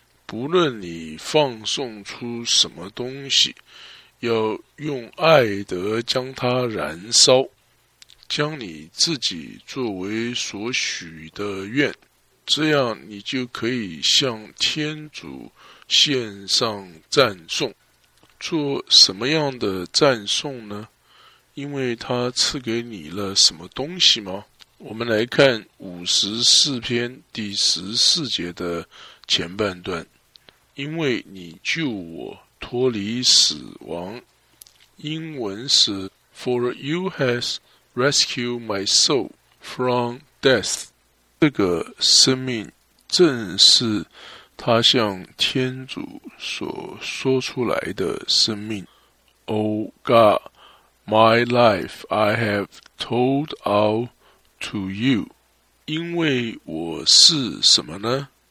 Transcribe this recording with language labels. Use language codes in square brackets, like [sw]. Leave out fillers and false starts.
[zh] 不论你放送出什么东西，要用爱德将它燃烧，将你自己作为所许的愿，这样你就可以向天主献上赞颂。做什么样的赞颂呢？因为他赐给你了什么东西吗？我们来看54篇第14节的前半段。因为你救我脱离死亡。英文是 [en] For you has rescued my soul from death。 [zh] 这个生命正是他向天主所说出来的生命。 [en] Oh God, my life I have told outTo you, [zh] 因为我是什么呢？